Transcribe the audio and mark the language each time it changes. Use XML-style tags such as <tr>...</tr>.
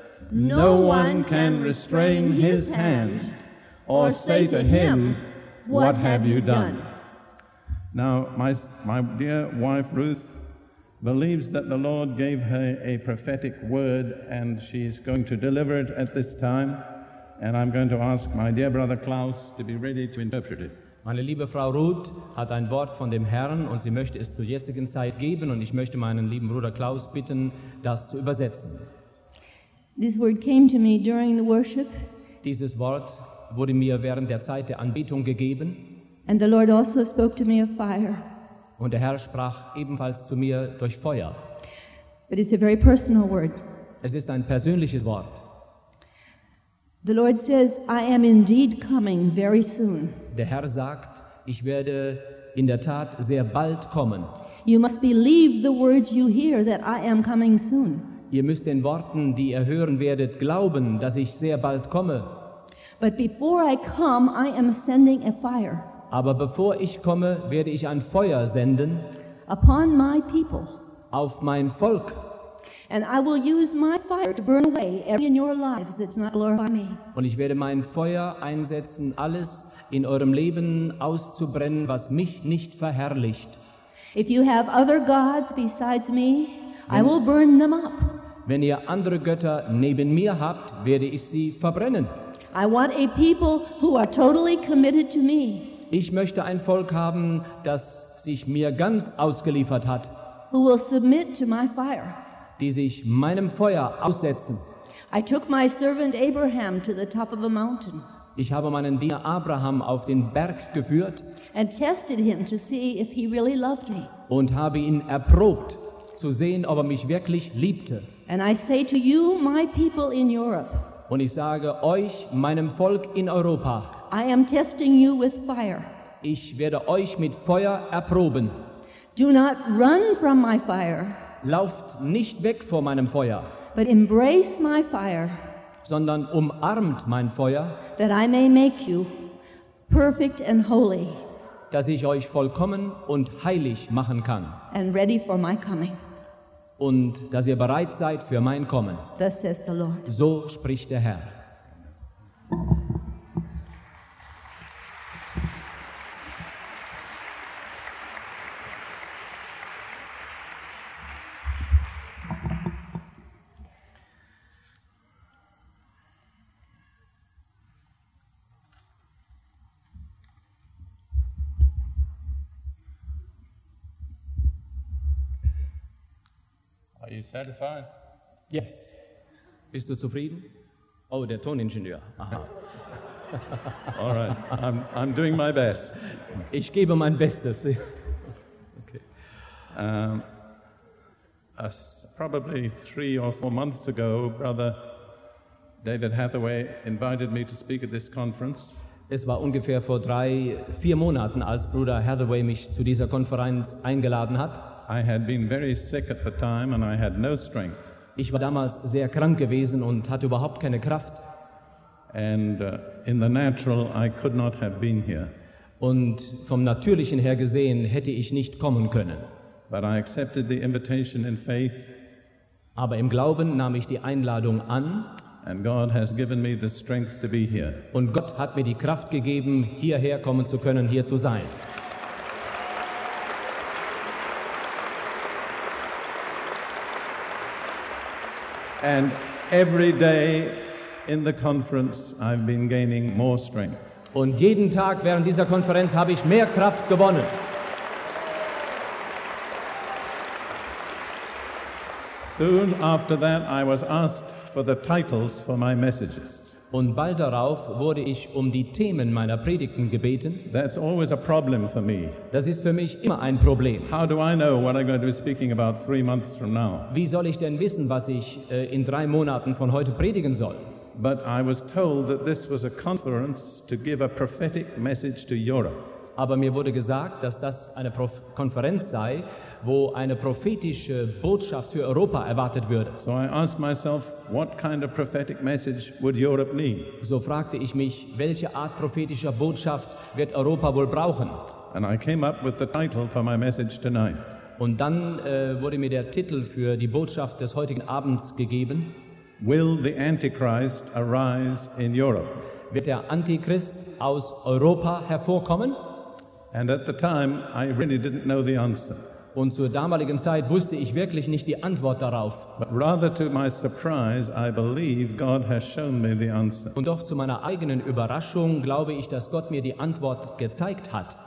<en>No one can restrain his hand or say to him, what have you done? Now, my dear wife Ruth believes that the Lord gave her a prophetic word, and she is going to deliver it at this time. And I'm going to ask my dear brother Klaus to be ready to interpret it.</en> <de>Meine liebe Frau Ruth hat ein Wort von dem Herrn, und sie möchte es zur jetzigen Zeit geben. Und ich möchte meinen lieben Bruder Klaus bitten, das zu übersetzen.</de> <en>This word came to me during the worship.</en> <de>Dieses Wort wurde mir während der Zeit der Anbetung gegeben.</de> <en>And the Lord also spoke to me of fire.</en> <de>Und der Herr sprach ebenfalls zu mir durch Feuer.</de> <en>But it's a very personal word.</en> <de>Es ist ein persönliches Wort.</de> <en>The Lord says, I am indeed coming very soon.</en> <de>Der Herr sagt, ich werde in der Tat sehr bald kommen.</de> <en>You must believe the words you hear that I am coming soon.</en> <de>Ihr müsst den Worten, die ihr hören werdet, glauben, dass ich sehr bald komme.</de> <en>But before I come, I am sending a fire.</en> <de>Aber bevor ich komme, werde ich ein Feuer senden.</de> <en>Upon my people.</en> <de>Auf mein Volk.</de> <en>And I will use my fire to burn away everything in your lives that's not glorifying me.</en> <de>Und ich werde mein Feuer einsetzen, alles in eurem Leben auszubrennen, was mich nicht verherrlicht.</de> <en>If you have other gods besides me, I will burn them up.</en> <de>Wenn ihr andere Götter neben mir habt, werde ich sie verbrennen.</de> <en>I want a people who are totally committed to me.</en> <de>Ich möchte ein Volk haben, das sich mir ganz ausgeliefert hat.</de> <en>Who will submit to my fire.</en> <de>Die sich meinem Feuer aussetzen.</de> <en>I took my servant Abraham to the top of a mountain.</en> <de>Ich habe meinen Diener Abraham auf den Berg geführt.</de> <en>And tested him to see if he really loved me.</en> <de>Und habe ihn erprobt, zu sehen, ob er mich wirklich liebte.</de> <en>And I say to you, my people in Europe.</en> <de>Und ich sage euch, meinem Volk in Europa.</de> <en>I am testing you with fire.</en> <de>Ich werde euch mit Feuer erproben.</de> <en>Do not run from my fire.</en> <de>Lauft nicht weg vor meinem Feuer.</de> <en>But embrace my fire.</en> <de>Sondern umarmt mein Feuer.</de> <en>That I may make you perfect and holy.</en> <de>Dass ich euch vollkommen und heilig machen kann.</de> <en>And ready for my coming.</en> <de>Und dass ihr bereit seid für mein Kommen.</de> <en>Thus says the Lord.</en> <de>So spricht der Herr.</de> <en>Satisfied?</en> <de>Yes. Bist du zufrieden? Oh, der Toningenieur. Aha.</de> <en>All right. I'm doing my best.</en> <de>Ich gebe mein Bestes.</de> <en>Okay. Probably 3 or 4 months ago, Brother David Hathaway invited me to speak at this conference.</en> <de>Es war ungefähr vor 3-4 Monaten, als Bruder Hathaway mich zu dieser Konferenz eingeladen hat.</de> <en>I had been very sick at the time and I had no strength.</en> <de>Ich war damals sehr krank gewesen und hatte überhaupt keine Kraft.</de> <en>And in the natural I could not have been here.</en> <de>Und vom Natürlichen her gesehen hätte ich nicht kommen können.</de> <en>But I accepted the invitation in faith.</en> <de>Aber im Glauben nahm ich die Einladung an.</de> <en>And God has given me the strength to be here.</en> <de>Und Gott hat mir die Kraft gegeben, hierher kommen zu können, hier zu sein.</de> <en>And every day in the conference I've been gaining more strength.</en> <de>Und jeden Tag während dieser Konferenz habe ich mehr Kraft gewonnen.</de> <en>Soon after that I was asked for the titles for my messages.</en> <de>Und bald darauf wurde ich um die Themen meiner Predigten gebeten.</de> <en>That's always a problem for me.</en> <de>Das ist für mich immer ein Problem.</de> <en>How do I know what I'm going to be speaking about 3 months from now?</en> <de>Wie soll ich denn wissen, was ich in 3 Monaten von heute predigen soll?</de> <en>But I was told that this was a conference to give a prophetic message to Europe.</en> <de>Aber mir wurde gesagt, dass das eine Konferenz sei, wo eine prophetische Botschaft für Europa erwartet würde.</de> <en>So I asked myself, what kind of prophetic message would Europe need?</en> <de>So fragte ich mich, welche Art prophetischer Botschaft wird Europa wohl brauchen?</de> <en>And I came up with the title for my message tonight.</en> <de>Und dann wurde mir der Titel für die Botschaft des heutigen Abends gegeben.</de> <en>Will the Antichrist arise in Europe?</en> <de>Wird der Antichrist aus Europa hervorkommen?</de> <en>And at the time, I really didn't know the answer.</en> <de>Und zur damaligen Zeit wusste ich wirklich nicht die Antwort darauf.</de> <en>But rather to my surprise, I believe God has shown me the answer.</en> <de>Und doch zu meiner eigenen Überraschung glaube ich, dass Gott mir die Antwort gezeigt hat.</de>